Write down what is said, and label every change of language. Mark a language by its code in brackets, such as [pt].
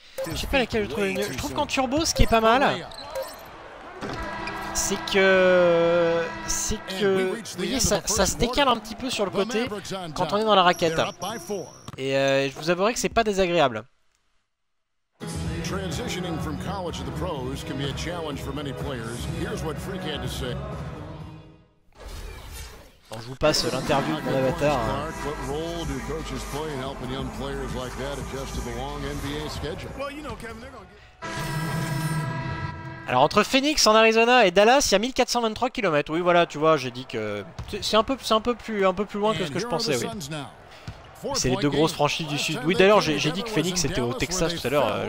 [fr] Je sais pas lesquels je trouve le mieux. Je trouve qu'en turbo, ce qui est pas mal, c'est que vous voyez, ça se décale un petit peu sur le côté quand on est dans la raquette. Et je vous avouerai que c'est pas désagréable. [en] Transitioning from college to the pros can be a challenge for many players. Here's what Freak had to say. [fr] Alors, je vous passe l'interview de mon avatar. [en] What role do coaches play in helping young players like that adjust to the long NBA schedule? Well, you know, Kevin, they're gonna get... [fr] Alors, entre Phoenix en Arizona et Dallas, il y a 1423 km. Oui, voilà, tu vois, j'ai dit que c'est un peu plus loin que ce que je pensais, oui. C'est les deux grosses franchises du sud. Oui, d'ailleurs, j'ai dit que Phoenix était au Texas tout à l'heure.